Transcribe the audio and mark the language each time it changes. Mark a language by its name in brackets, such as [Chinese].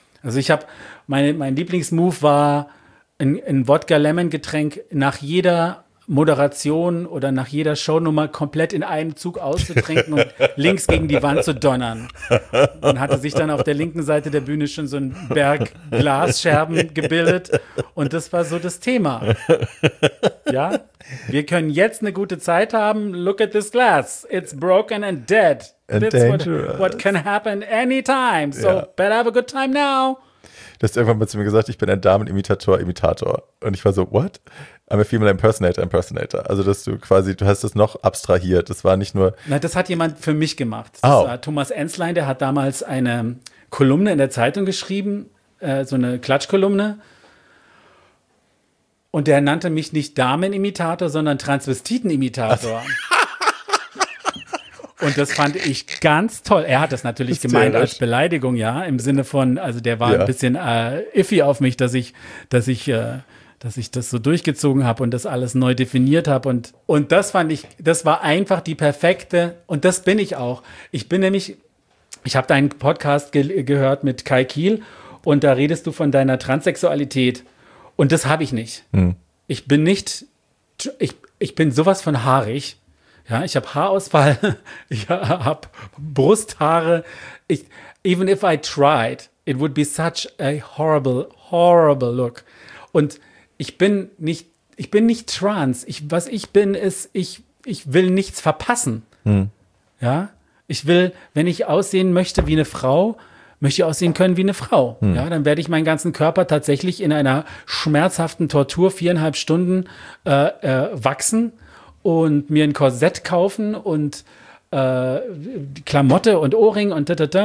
[German] Also ich habe, mein Lieblingsmove war, ein Wodka-Lemon-Getränk nach jeder Moderation oder nach jeder Shownummer komplett in einem Zug auszutrinken und links gegen die Wand zu donnern. Man hatte sich dann auf der linken Seite der Bühne schon so ein Berg Glasscherben gebildet und das war so das Thema. Ja, wir können jetzt eine gute Zeit haben. [English] Look at this glass. It's broken and dead. And this dangerous. What can happen anytime. So better have a good time now. [German] Du hast irgendwann mal zu mir gesagt, ich bin ein Damenimitator. Und ich war so, [English] what? I'm a female impersonator. [German] Also, dass du quasi, du hast das noch abstrahiert. Das war nicht nur. Nein, das hat jemand für mich gemacht. Oh. Das war Thomas Enzlein, der hat damals eine Kolumne in der Zeitung geschrieben, so eine Klatschkolumne. Und der nannte mich nicht Damenimitator, sondern Transvestitenimitator. Und das fand ich ganz toll. Er hat das natürlich gemeint als Beleidigung, ja, im Sinne von, also der war ein bisschen iffy auf mich, dass ich das so durchgezogen habe und das alles neu definiert habe. Und das fand ich, das war einfach die perfekte, und das bin ich auch. Ich bin nämlich, ich habe deinen Podcast gehört mit Kai Kiel und da redest du von deiner Transsexualität und das habe ich nicht. Hm. Ich bin nicht, ich bin sowas von haarig. Ja, ich habe Haarausfall, ich habe Brusthaare. Ich, [English] even if I tried, it would be such a horrible, horrible look. [German] Und ich bin nicht trans. Ich, was ich bin, ist, ich will nichts verpassen. Hm. Ja, ich will, wenn ich aussehen möchte wie eine Frau, möchte ich aussehen können wie eine Frau. Hm. Ja, dann werde ich meinen ganzen Körper tatsächlich in einer schmerzhaften Tortur 4,5 Stunden wachsen und mir ein Korsett kaufen und Klamotte und Ohrring und tatata.